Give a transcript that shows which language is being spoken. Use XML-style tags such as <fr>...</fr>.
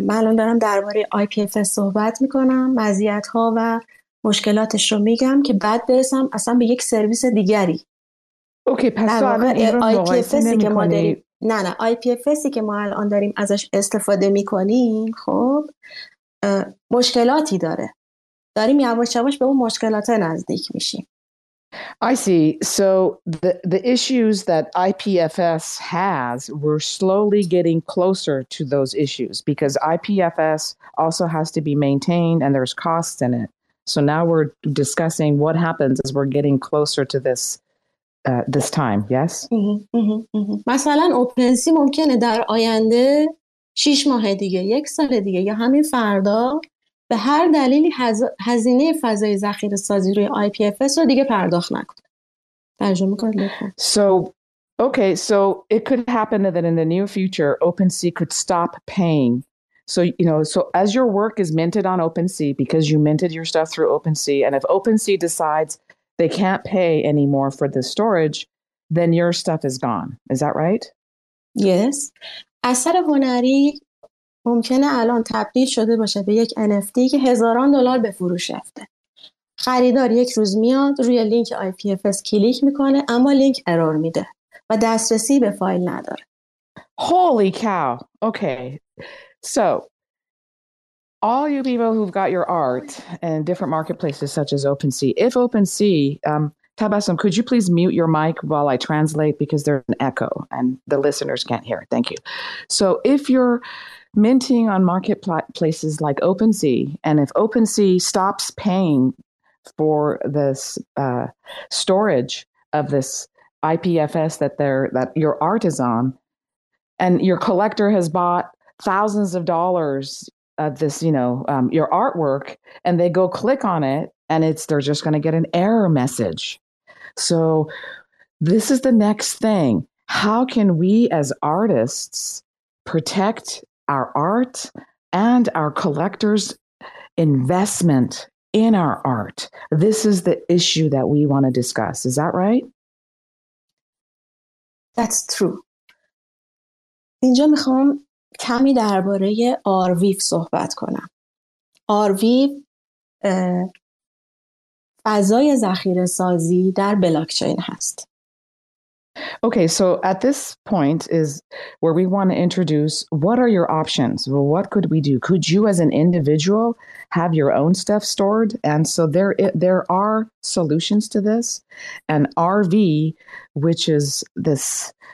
<fa>من الان دارم درباره IPFS صحبت میکنم. مزیت‌ها و مشکلاتش رو میگم که بعد برسم اصلا به یک سرویس دیگری. اوکی، پس تو الان IPFSی که ما داریم نه IPFSی که ما الان داریم ازش استفاده میکنیم خب مشکلاتی داره داریم یواش یواش به اون مشکلات نزدیک میشیم.</fa> <en>I see. So the issues that IPFS has, we're slowly getting closer to those issues because IPFS also has to be maintained and there's costs in it. So now we're discussing what happens as we're getting closer to this this time, yes?</en> <fa>مثلا OpenSea ممکنه در آینده 6 ماه دیگه، 1 سال دیگه یا همین فردا به هر دلیلی هزینه فضای ذخیره سازی روی IPFS رو دیگه پرداخت نکنه. ترجمه کن لطفاً.</fa> <en>So okay, so it could happen that in the near future OpenSea could stop paying. So, you know, so as your work is minted on OpenSea because you minted your stuff through OpenSea and if OpenSea decides they can't pay anymore for the storage, then your stuff is gone. Is that right? Yes.</en> <fa>اثر هنری ممکنه الان تبدیل شده باشه به یک NFT که هزاران دلار به فروش رفته. خریدار یک روز میاد روی لینک IPFS کلیک میکنه اما لینک ارور میده و دسترسی به فایل نداره.</fa> <en>Holy cow. Okay. So all you people who've got your art in different marketplaces such as OpenSea, if OpenSea, Tabassum, could you please mute your mic while I translate because there's an echo and the listeners can't hear. Thank you. So if you're minting on marketplaces like OpenSea and if OpenSea stops paying for this storage of this IPFS that your art is on and your collector has bought thousands of dollars of this, you know, your artwork, and they go click on it, and they're just going to get an error message. So this is the next thing. How can we as artists protect our art and our collectors' investment in our art? This is the issue that we want to discuss. Is that right? That's true.</en> <fa>اینجا میخوام کمی درباره آرویف صحبت کنم. آرویف فضای ذخیره سازی در بلاکچین هست.</fa> <en>Okay, so at this point is where we want to introduce what are your options? Well, what could we do? Could you as an individual have your own stuff stored? And so there are solutions to this. And RV, which is this</en>